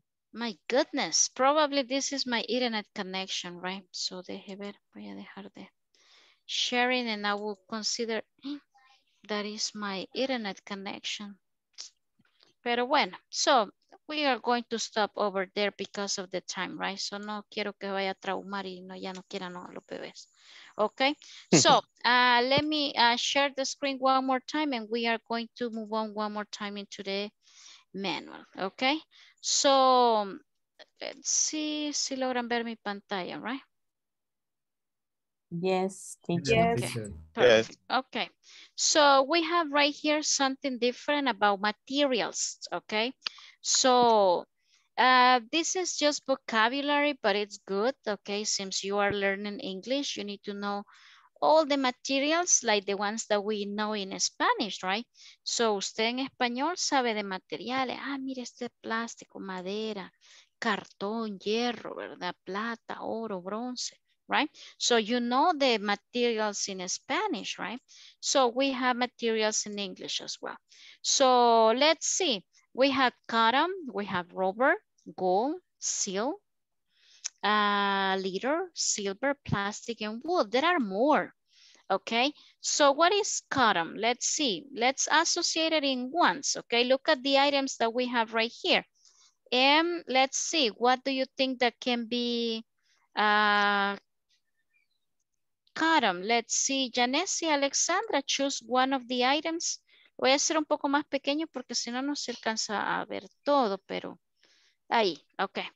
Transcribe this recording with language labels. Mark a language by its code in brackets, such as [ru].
[en] My goodness. Probably this is my internet connection, right? So, [es] deje ver. Voy a dejar de [en] sharing and I will consider that is my internet connection. [es] Pero bueno, [en] so we are going to stop over there because of the time, right? [es] So no quiero que vaya a traumar y no, ya no quieran no, los bebés. [en] Okay, so let me share the screen one more time and we are going to move on one more time into the manual, okay? So let's see [es] si logran ver mi pantalla, [en] right? Yes, teacher. Okay. Yes. Okay. So we have right here something different about materials. Okay. So this is just vocabulary, but it's good. Okay. Since you are learning English, you need to know all the materials like the ones that we know in Spanish, right? [es] So usted en español sabe de materiales. Ah, mire este plástico, madera, cartón, hierro, ¿verdad? Plata, oro, bronce. [en] Right? So you know the materials in Spanish, right? So we have materials in English as well. So let's see. We have cotton, we have rubber, gold, steel, leather, silver, plastic, and wood. There are more. Okay. So what is cotton? Let's see. Let's associate it in ones. Okay. Look at the items that we have right here. And let's see. What do you think that can be cotton. Let's see, Janessi, Alexandra, choose one of the items. [es] Voy a hacer un poco más pequeño porque si no, no se alcanza a ver todo, pero ahí, [en] okay.